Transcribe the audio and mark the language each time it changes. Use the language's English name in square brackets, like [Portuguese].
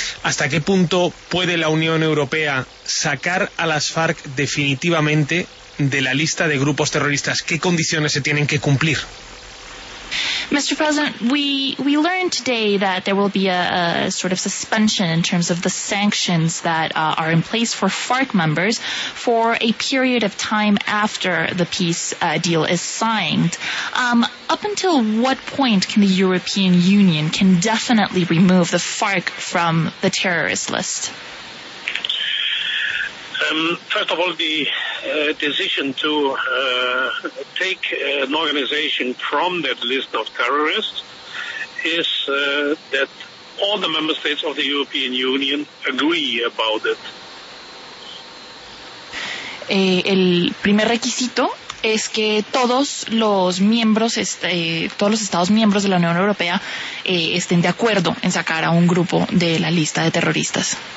[Spanish] ¿Hasta qué punto puede la Unión Europea sacar a las FARC definitivamente de la lista de grupos terroristas? ¿Qué condiciones se tienen que cumplir? [English] Mr. President, we learned today that there will be a sort of suspension in terms of the sanctions that are in place for FARC members for a period of time after the peace deal is signed. Up until what point can the European Union can definitely remove the FARC from the terrorist list? First of all, the decision to take an organization from that list of terrorists is that all the member states of the European Union agree about it. [Spanish] El primer requisito es que todos los miembros, todos los Estados miembros de la Unión Europea estén de acuerdo en sacar a un grupo de la lista de terroristas.